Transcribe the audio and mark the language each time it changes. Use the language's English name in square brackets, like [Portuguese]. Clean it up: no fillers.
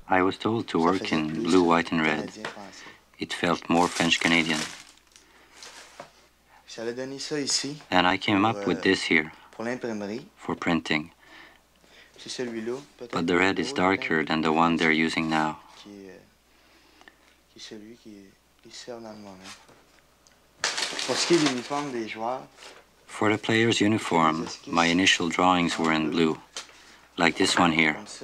[English] I was told to work in blue, white and red. It felt more French-Canadian. [French] J'allais donner ça ici. [English] And I came up with this here. [French] Pour l'imprimerie. [English] For printing. [French] C'est celui-là. [English] But the red is darker than the one they're using now. [French] Qui est celui qui sert dans le moment. Pour ce qui est de l'uniforme des joueurs. [English] For the player's uniform, my initial drawings were in blue. Like this one here.